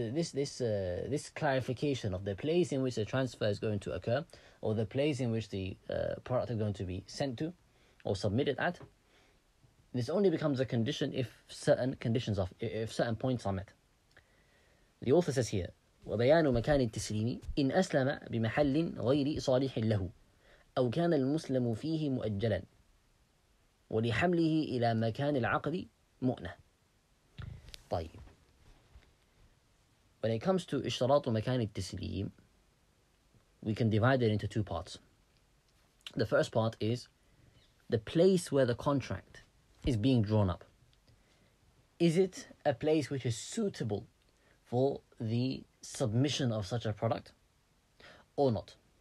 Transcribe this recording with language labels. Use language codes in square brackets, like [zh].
[en] This clarification of the place in which the transfer is going to occur, or the place in which the product is going to be sent to or submitted at, this only becomes a condition if certain points are met. The author says here, [ar] وبيان مكان التسليم إن أسلم بمحل غير صالح له أو كان المسلم فيه مؤجلا ولحمله إلى مكان العقد مؤنة. [en] طيب, when it comes to [ar] اشتراط مكان التسليم, [en] we can divide it into two parts. The first part is the place where the contract is being drawn up. Is it a place which is suitable for the submission of such a product or not?